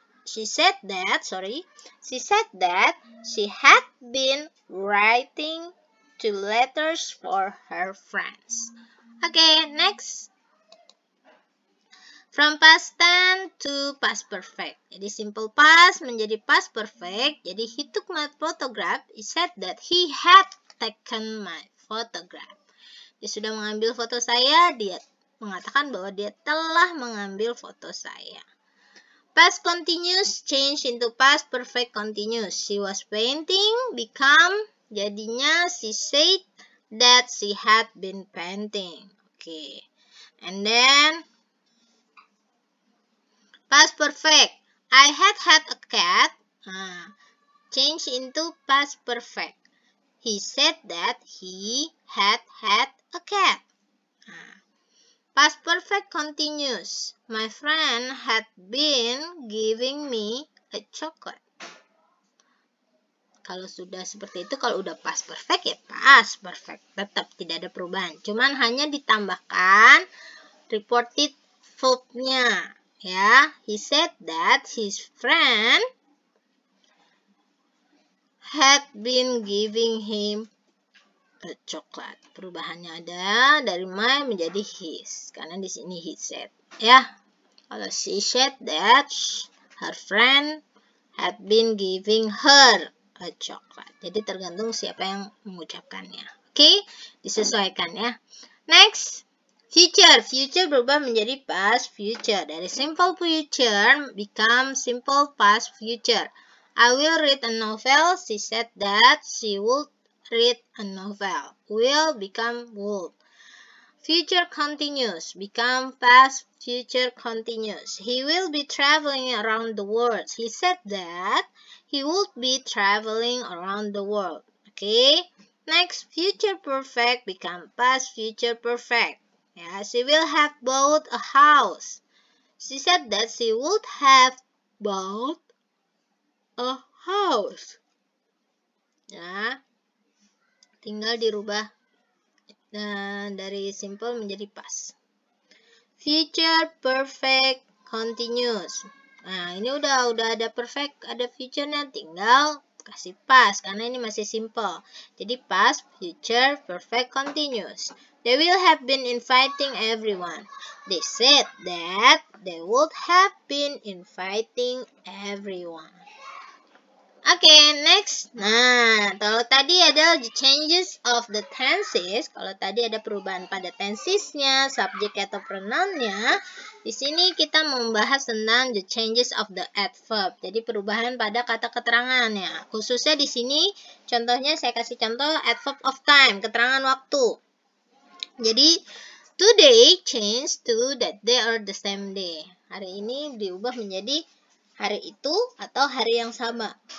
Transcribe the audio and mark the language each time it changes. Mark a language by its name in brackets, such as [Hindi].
[English] She said that she had been writing two letters for her friends. Okay, next. From past tense to past perfect. Jadi simple past menjadi past perfect. Jadi he took my photograph. He said that he had taken my photograph. [Indonesian] Dia sudah mengambil foto saya. Dia mengatakan bahwa dia telah mengambil foto saya. [English] Past continuous change into past perfect continuous. She was painting become. Jadinya she said that she had been painting. Okay. And then. Past perfect. I had had a cat. Change into past perfect. He said that he had had a cat. Past perfect continuous. My friend had been giving me a chocolate. [Indonesian] Kalau sudah seperti itu, kalau udah past perfect ya past perfect. Tetap tidak ada perubahan. Cuman hanya ditambahkan reported verb-nya. [English] Ya, he said that his friend had been giving him a chocolate. [Indonesian] Perubahannya ada dari my menjadi his. Karena di sini he said. [English] Ya, kalau she said that her friend had been giving her a chocolate. [Indonesian] Jadi tergantung siapa yang mengucapkannya. Oke, disesuaikan ya. Next. Future, future berubah menjadi past future. [English] Dari simple future become simple past future. I will read a novel. She said that she would read a novel. Will become would. Future continuous become past future continuous. He will be traveling around the world. He said that he would be traveling around the world. Okay. Next, future perfect become past future perfect. Yeah, she will have bought a house. She said that she would have bought a house. Yeah. [Indonesian] Tinggal dirubah dari simple menjadi past. Future perfect continuous. Nah, ini udah ada perfect, ada future-nya, tinggal kasih past karena ini masih simple. [English] Jadi past, future, perfect continuous. They will have been inviting everyone. They said that they would have been inviting everyone. [Indonesian] Okay, next. Nah, kalau tadi ada [English] changes of the tenses, [Indonesian] kalau tadi ada perubahan pada tensesnya, subjek atau pronounnya, di sini kita membahas tentang [English] the changes of the adverb. [Indonesian] Jadi perubahan pada kata keterangannya. Khususnya di sini, contohnya saya kasih contoh adverb of time, keterangan waktu. [English] Jadi today changed to that day or the same day. [Indonesian] Hari ini diubah menjadi hari itu atau hari yang sama.